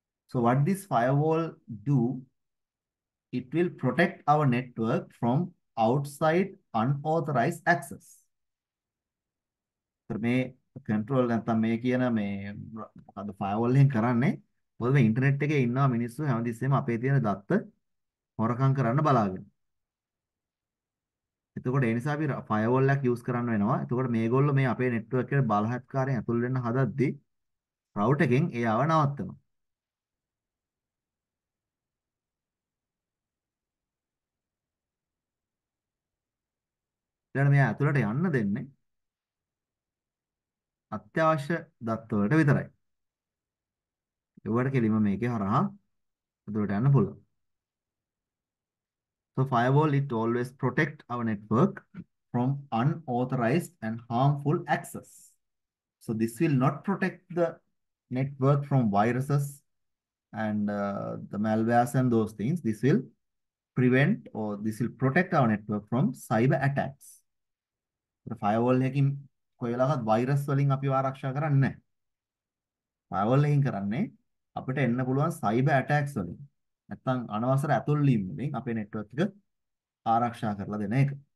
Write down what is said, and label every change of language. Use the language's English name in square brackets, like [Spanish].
[English] So what this firewall do, it will protect our network from outside unauthorized access. [Sinhala] මේ control නැත්නම් මේ කියන මේ මොකද firewall එකෙන් කරන්නේ මොකද මේ internet එකේ ඉන්නවා මිනිස්සු හැමදෙස්සෙම අපේ තියෙන දත්ත හොරකම් කරන්න බලාගෙන. එතකොට ඒ නිසා අපි firewall එකක් use කරන්න වෙනවා. එතකොට මේගොල්ලෝ මේ අපේ network එකේ බලහත්කාරයෙන් ඇතුල් වෙන්න හදද්දී router එකෙන් එයාව නවත්තනවා. දැන් මෙයා ඇතුළට යන්න දෙන්නේ අත්‍යවශ්‍ය දත්ත වලට විතරයි. ඒවට කෙලින්ම මේකේ හරහා ඇතුළට යන්න පුළුවන්. [English] So firewall it always protect our network from unauthorized and harmful access. So this will not protect the network from viruses and the malwares and those things. This will prevent or this will protect our network from cyber attacks. [Sinhala] Firewall එකකින් කොයිලාවත් virus වලින් අපි ආරක්ෂා කරන්නේ නැහැ. Firewall එකකින් කරන්නේ අපිට එන්න පුළුවන් සයිබර් ඇටැක්ස් වලින් නැත්නම් අනවසර ඇතුල්වීම් වලින් අපේ නෙට්වර්ක් එක ආරක්ෂා කරලා දෙන එක.